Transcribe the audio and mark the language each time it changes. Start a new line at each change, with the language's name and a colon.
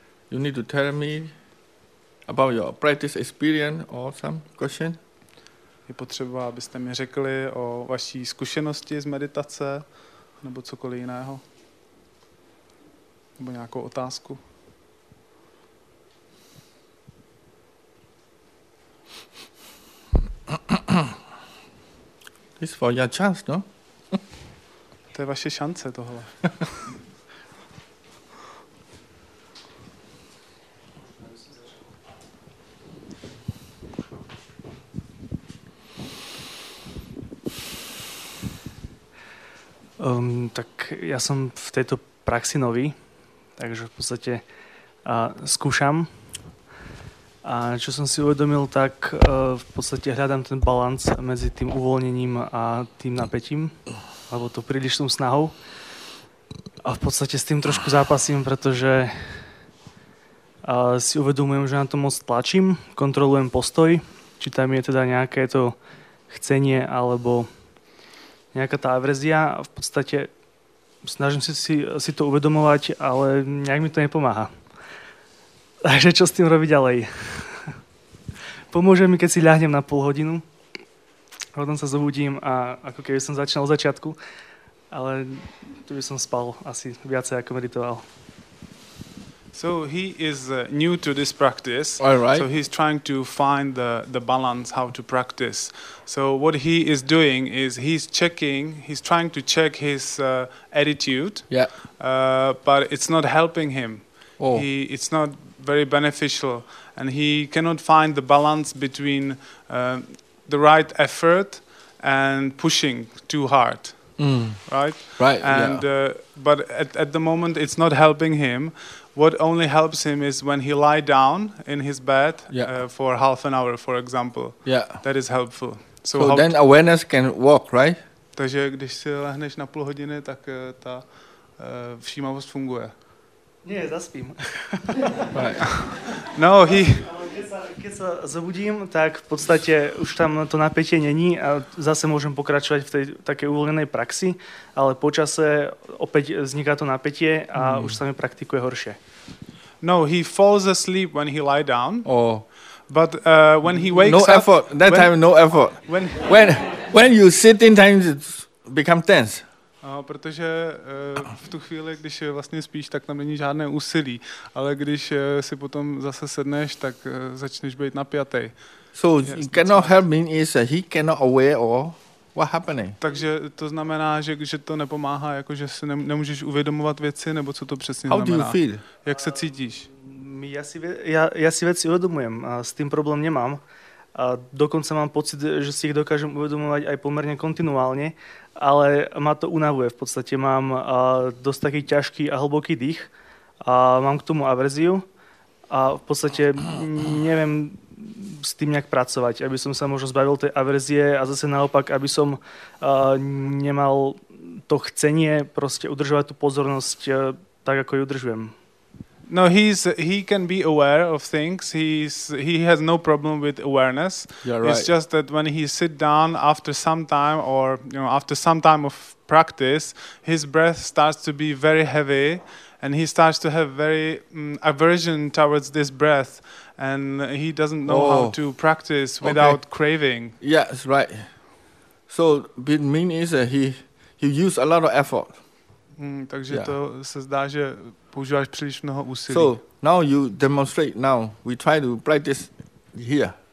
English: You need to tell me about your practice experience or some question.
Czech: Je potřeba, abyste mi řekli o vaší zkušenosti z meditace nebo cokoliv jiného. Nebo nějakou otázku.
English: This for your chance, no?
Czech: To je vaše šance tohle. Tak já jsem v této praxi nový, takže v podstatě zkoušám.
Slovak: A čo som si uvedomil, tak v podstate hľadám ten balanc medzi tým uvoľnením a tým napätím, alebo to prílišnou snahou. A v podstate s tým trošku zápasím, pretože si uvedomujem, že na to moc tlačím, kontrolujem postoj, či tam je teda nejaké to chcenie alebo nejaká tá averzia. V podstate snažím si to uvedomovať, ale nejak mi to nepomáha. Takže čo s tým robiť ďalej? Pomôže mi, keď si ľahnem na pol hodinu, potom sa zobudím a ako keby som začal od začiatku, ale tu by som spal asi viacej ako meditoval.
English: So he is new to this practice. All right. So he's trying to find the balance how to practice. So what he is doing is he's trying to check his attitude. Yeah. But it's not helping him. Oh. It's not very beneficial, and he cannot find the balance between the right effort and pushing too hard. Right. And yeah. But at the moment it's not helping him. What only helps him is when he lie down in his bed for half an hour, for example. Yeah. That is helpful. So then awareness can work, right?
Czech: Takže když si lehneš na půl hodiny, tak ta všímavost funguje.
Slovak: Nie, zaspím. No, keď sa zobudím, tak v podstate už tam to napätie není a zase môžem pokračovať v tej takej uvoľnenej praxi, ale počase opäť vzniká to napätie a už sa mi praktikuje horšie.
English: No, he falls asleep when he lie down. Oh. But when he wakes no up... No effort. That when, time, no effort. When you sit in time, it become tense.
Czech: Protože v tu chvíli, když vlastně spíš, tak tam není žádné úsilí. Ale když si potom zase sedneš, tak začneš být napjatý.
English: So yes, cannot help me is he cannot aware or what happening.
Czech: Takže to znamená, že to nepomáhá, jako že si nemůžeš uvědomovat věci, nebo co to přesně
English: How
Czech: znamená.
English: Do you feel?
Czech: Jak se cítíš? Já si věci uvědomujem a s tím problém nemám.
Slovak: A dokonce mám pocit, že si ich dokážem uvedomovať aj pomerne kontinuálne, ale ma to unavuje. V podstate mám dosť taký ťažký a hlboký dých a mám k tomu averziu a v podstate neviem s tým nejak pracovať, aby som sa možno zbavil tej averzie a zase naopak, aby som nemal to chcenie proste udržovať tú pozornosť tak, ako ju udržujem.
English: No, he can be aware of things. He has no problem with awareness. Yeah, right. It's just that when he sit down after some time or after some time of practice, his breath starts to be very heavy, and he starts to have very aversion towards this breath, and he doesn't know how to practice without craving. Yes, right. So it means that he use a lot of effort.
Czech: Takže to se zdá, že používáš příliš mnoho úsilí.
English: So, now you demonstrate, now we try to practice here.